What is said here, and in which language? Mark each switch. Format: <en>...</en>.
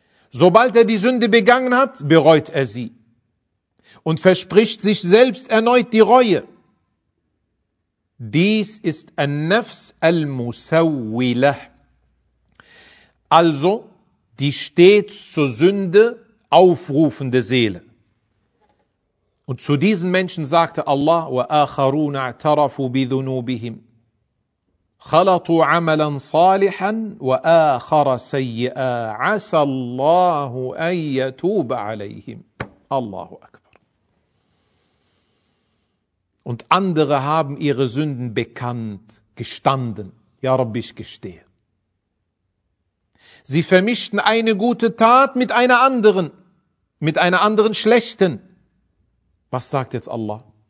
<de>Sobald er die Sünde begangen hat, bereut er sie und verspricht sich selbst erneut die Reue. Dies ist an-Nafs al-Musawwilah, also die stets zur Sünde aufrufende Seele. Und zu diesen Menschen sagte Allah,</de> <ar>وَآخَرُونَ اَعْتَرَفُوا بِذُنُوبِهِمْ خَلَطُوا عَمَلًا صَالِحًا وَآخَرَ سَيِّئًا عَسَى اللَّهُ أَنْ يَتُوبَ عَلَيْهِمْ. الله أكبر.</ar> <de>Und andere haben ihre Sünden bekannt, gestanden. Ja, Rabbi, ich gestehe. Sie vermischten eine gute Tat mit einer anderen, schlechten. Was sagt jetzt Allah?</de>